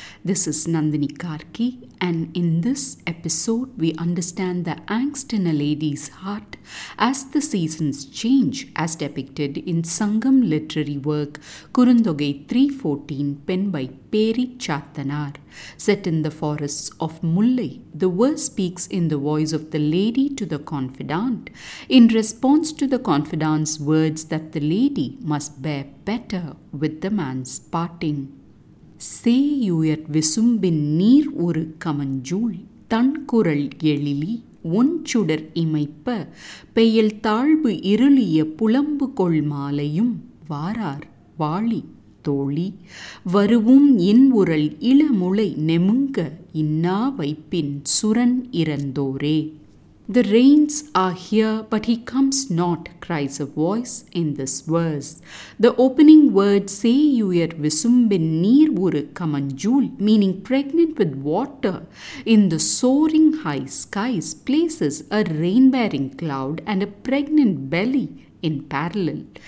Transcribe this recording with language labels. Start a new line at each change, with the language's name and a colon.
English: This is Nandini Karki, and in this episode we understand the angst in a lady's heart as the seasons change, as depicted in Sangam literary work Kurundogai 314, penned by Peri Chatanar. Set in the forests of Mullai, the verse speaks in the voice of the lady to the confidant, in response to the confidant's words that the lady must bear better with the man's parting.
Tamil: சேயுயர் விசும்பின் நீர் ஒரு கமஞ்சூள் தன்குரல் எழிலி ஒஞ்சுடர் இமைப்ப பெயல் தாழ்வு இருளிய புலம்பு கொள் மாலையும் வாரார் வாளி தோழி வருவும் இன்உரல் இளமுளை நெமுங்க இன்னா வைப்பின் சுரன் இறந்தோரே.
English: The rains are here, but he comes not, cries a voice in this verse. The opening word,
Tamil: seyuyar visumbin neer uru kamanjool,
English: meaning pregnant with water in the soaring high skies, places a rain-bearing cloud and a pregnant belly in parallel.